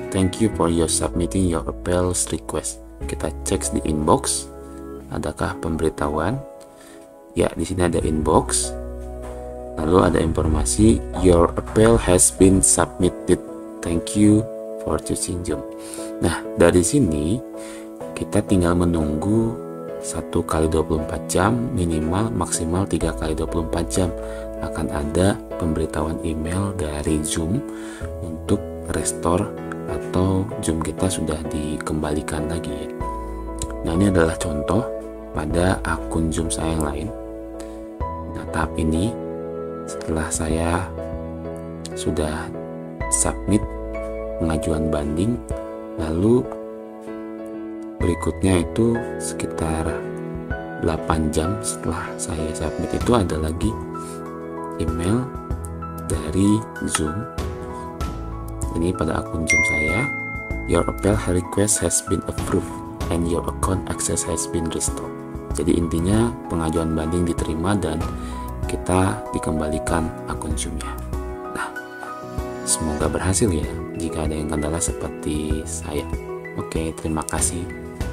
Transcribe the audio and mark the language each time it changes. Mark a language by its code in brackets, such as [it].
[en] Thank you for your submitting your appeals request. [id] Kita cek di inbox, adakah pemberitahuan? Ya, di sini ada inbox. Lalu ada informasi [en] your appeal has been submitted. Thank you for choosing Zoom. [id] Nah, dari sini kita tinggal menunggu 1x24 jam, minimal maksimal 3x24 jam akan ada pemberitahuan email dari Zoom untuk restore atau Zoom kita sudah dikembalikan lagi. Nah, ini adalah contoh pada akun Zoom saya yang lain. Nah, tahap ini setelah saya sudah submit pengajuan banding, lalu berikutnya itu sekitar 8 jam setelah saya submit itu ada lagi email dari Zoom. Ini pada akun Zoom saya. [en] Your appeal request has been approved and your account access has been restored. [id] Jadi intinya pengajuan banding diterima dan kita dikembalikan akun Zoom-nya. Nah, semoga berhasil ya jika ada yang kendala seperti saya. Oke, terima kasih.